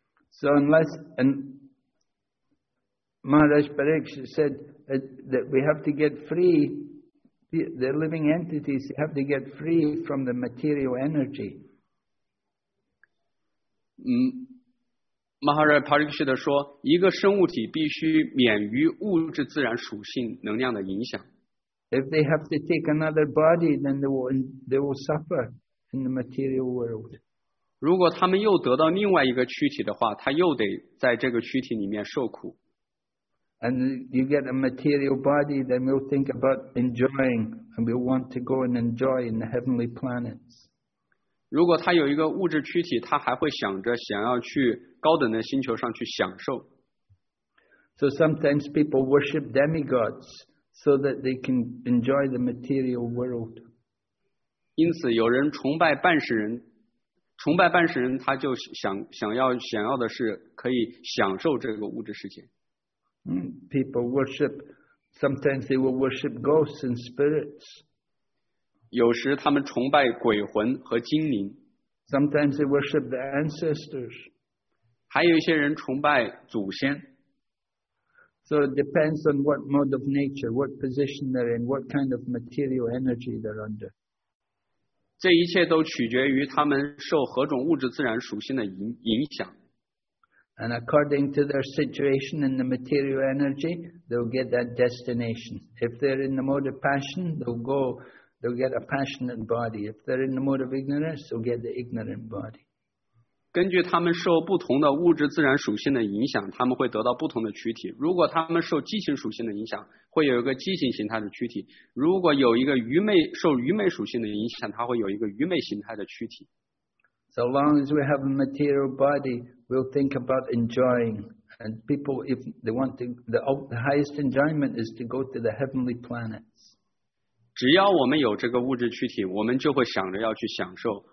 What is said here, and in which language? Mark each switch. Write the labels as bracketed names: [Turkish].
[English] So unless and Maharaj Pariksit said that we have to get free, the living entities have to get free from the material energy. [Chinese] Maharaj Pariksit 说，一个生物体必须免于物质自然属性能量的影响。 [English] If they have to take another body, then they will suffer in the material world. [Chinese] 如果他们又得到另外一个躯体的话，他又得在这个躯体里面受苦。 [English] And you get a material body, then we'll think about enjoying, and we'll want to go and enjoy in the heavenly planets. [Chinese] 如果他有一个物质躯体，他还会想着想要去高等的星球上去享受。 [English] So sometimes people worship demigods so that they can enjoy the material world. [Chinese] 因此有人崇拜半神人，崇拜半神人他就想要的是可以享受这个物质世界。 [English] People worship, sometimes they will worship ghosts and spirits. [Chinese] 有时他们崇拜鬼魂和精灵。 [English] Sometimes they worship the ancestors. [Chinese] 还有一些人崇拜祖先。 [English] So it depends on what mode of nature, what position they're in, what kind of material energy they're under. [Chinese] 这一切都取决于他们受何种物质自然属性的影响。 [English] And according to their situation in the material energy, they'll get that destination. If they're in the mode of passion, they'll get a passionate body. If they're in the mode of ignorance, they'll get the ignorant body. [Chinese] 根据他们受不同的物质自然属性的影响，他们会得到不同的躯体。如果他们受激情属性的影响，会有一个激情形态的躯体。如果有一个愚昧，受愚昧属性的影响，他会有一个愚昧形态的躯体。 [English] So long as we have a material body, we'll think about enjoying. And people, if they want to, the highest enjoyment is to go to the heavenly planets. [Chinese] 只要我们有这个物质躯体，我们就会想着要去享受。